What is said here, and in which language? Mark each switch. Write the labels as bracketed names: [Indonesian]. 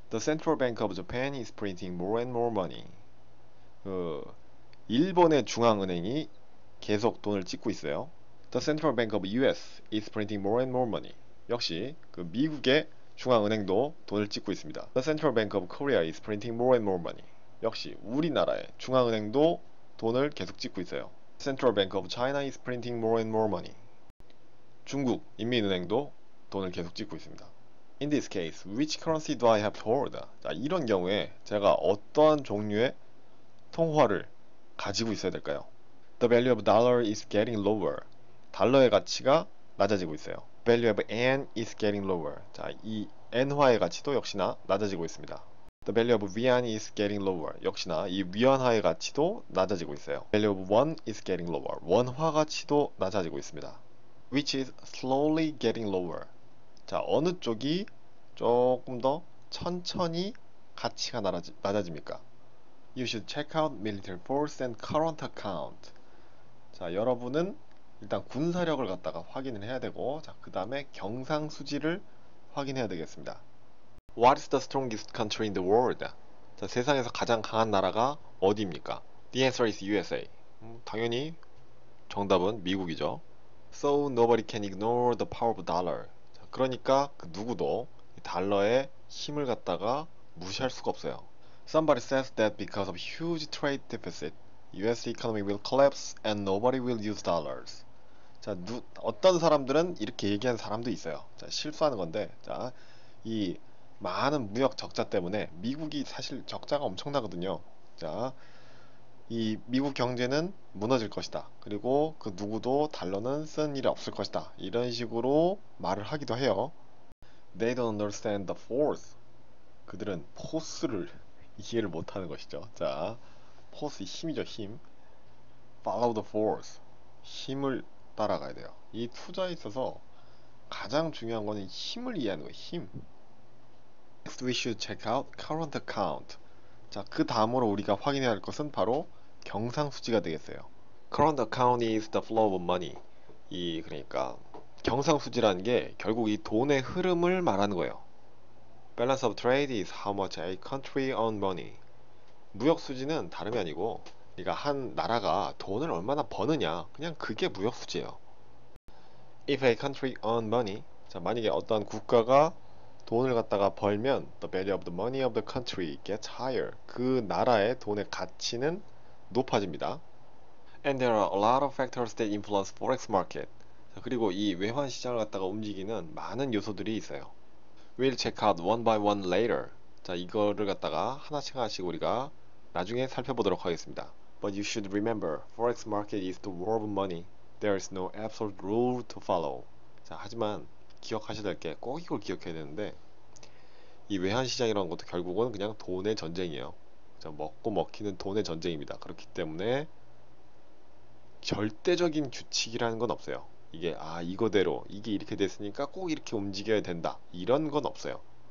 [English] The Central Bank of Japan is printing more and more money. [Korean] 일본의 중앙은행이 계속 돈을 찍고 있어요. [English] The Central Bank of US is printing more and more money. [Korean] 역시 그 미국의 중앙은행도 돈을 찍고 있습니다. [English] The Central Bank of Korea is printing more and more money. [Korean] 역시 우리나라의 중앙은행도 돈을 계속 찍고 있어요. [English] Central Bank of China is printing more and more money. [Korean] 중국 인민은행도 돈을 계속 찍고 있습니다. [English] In this case, which currency do I have to hold? [Korean] 자, 이런 경우에 제가 어떠한 종류의 통화를 가지고 있어야 될까요? [English] The value of dollar is getting lower. [Korean] 달러의 가치가 낮아지고 있어요. [English] Value of yen is getting lower. [Korean] 자, 이 엔화의 가치도 역시나 낮아지고 있습니다. [English] The value of yuan is getting lower. [Korean] 역시나 이 위안화의 가치도 낮아지고 있어요. [English] Value of won is getting lower. [Korean] 원화 가치도 낮아지고 있습니다. [English] Which is slowly getting lower. [Korean] 자, 어느 쪽이 조금 더 천천히 가치가 낮아집니까? [English] You should check out military force and current account. [Korean] 자, 여러분은 일단 군사력을 갖다가 확인을 해야 되고, 자, 그 다음에 경상수지를 확인해야 되겠습니다. [English] What is the strongest country in the world? [Korean] 자, 세상에서 가장 강한 나라가 어디입니까? [English] The answer is USA. [Korean] 당연히 정답은 미국이죠. [English] So nobody can ignore the power of dollar. [Korean] 자, 그러니까 그 누구도 달러의 힘을 갖다가 무시할 수가 없어요. [English] Somebody says that because of huge trade deficit, US economy will collapse and nobody will use dollars. [Korean] 자, 어떤 사람들은 이렇게 얘기하는 사람도 있어요. 자, 실수하는 건데, 자, 이 많은 무역 적자 때문에 미국이 사실 적자가 엄청나거든요. 자, 이 미국 경제는 무너질 것이다. 그리고 그 누구도 달러는 쓴 일이 없을 것이다. 이런 식으로 말을 하기도 해요. [English] They don't understand the force. [Korean] 그들은 포스를 이해를 못하는 것이죠. 자, 포스 힘이죠, 힘. [English] Follow the force. [Korean] 힘을 따라가야 돼요. 이 투자에 있어서 가장 중요한 거는 힘을 이해하는 거예요, 힘. [English] Next, we should check out current account. [Korean] 자, 그 다음으로 우리가 확인해야 할 것은 바로 경상수지가 되겠어요. [English] Current account is the flow of money. [Korean] 그러니까 경상수지라는 게 결국 이 돈의 흐름을 말하는 거예요. [English] Balance of trade is how much a country earns money. [Korean] 무역수지는 다름이 아니고, 그러니까 한 나라가 돈을 얼마나 버느냐, 그냥 그게 무역수지예요. [English] If a country earns money, [Korean] 자, 만약에 어떤 국가가 돈을 갖다가 벌면, [English] the value of the money of the country gets higher. [Korean] 그 나라의 돈의 가치는 높아집니다. [English] And there are a lot of factors that influence forex market. [Korean] 자, 그리고 이 외환시장을 갖다가 움직이는 많은 요소들이 있어요. [English] We'll check out one by one later. [Korean] 자, 이거를 갖다가 하나씩 하나씩 우리가 나중에 살펴보도록 하겠습니다. [English] But you should remember, forex market is the war of money. There is no absolute rule to follow. [Korean] 자, 하지만 기억하셔야 될게꼭 이걸 기억해야 되는데, 이 외환시장이라는 것도 결국은 그냥 돈의 전쟁이에요. 자, 먹고 먹히는 돈의 전쟁입니다. 그렇기 때문에 절대적인 규칙이라는 건 없어요. 이게, 아, 이거대로, 이게 이렇게 됐으니까 꼭 이렇게 움직여야 된다. 이런 건 없어요.